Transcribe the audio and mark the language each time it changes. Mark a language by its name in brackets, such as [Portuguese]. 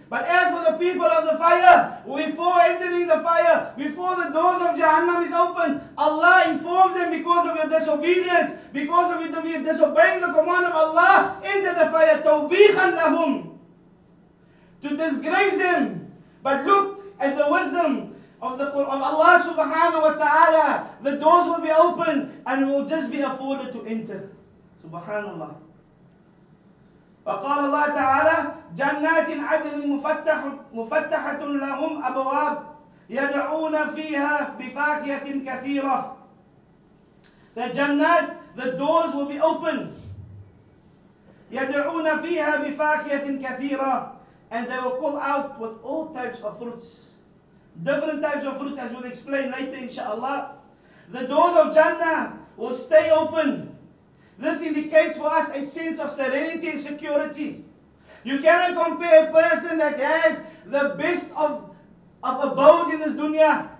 [English] But as for the people of the fire, before entering the fire, before the doors of Jahannam is opened, Allah informs them, because of your disobedience, because of your disobeying the command of Allah, enter the fire. [Arabic] Tawbikhan lahum. [English] To disgrace them. But look at the wisdom of the of Allah subhanahu wa ta'ala. The doors will be opened and will just be afforded to enter. Subhanallah. [Arabic] وقال الله تعالى جنات عدن مفتحة لهم أبواب يدعون فيها بفاكهة كثيرة. [English] The jannat, the doors will be open. [Arabic] يدعون فيها بفاكهة كثيرة. [English] And they will call out with all types of fruits. Different types of fruits, as we'll explain later inshallah. The doors of Jannah will stay open. This indicates for us a sense of serenity and security. You cannot compare a person that has the best of abode in this dunya.